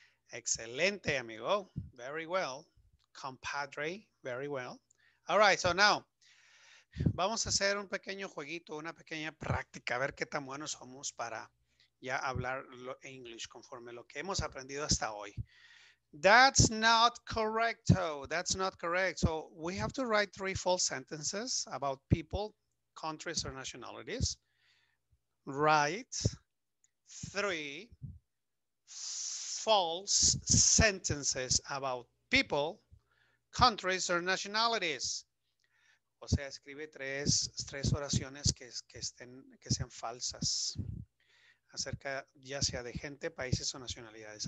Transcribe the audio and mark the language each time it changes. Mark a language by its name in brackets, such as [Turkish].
[Spanish] Excelente, amigo. [English] Very well. Compadre, very well. All right, so now, [Spanish] vamos a hacer un pequeño jueguito, una pequeña práctica, a ver qué tan buenos somos para ya hablar English conforme lo que hemos aprendido hasta hoy. [English] That's not correct, though. That's not correct. So we have to write three full sentences about people, countries or nationalities. Write three false sentences about people, countries or nationalities. [Spanish] O sea, escribe tres oraciones que sean falsas acerca ya sea de gente, países o nacionalidades.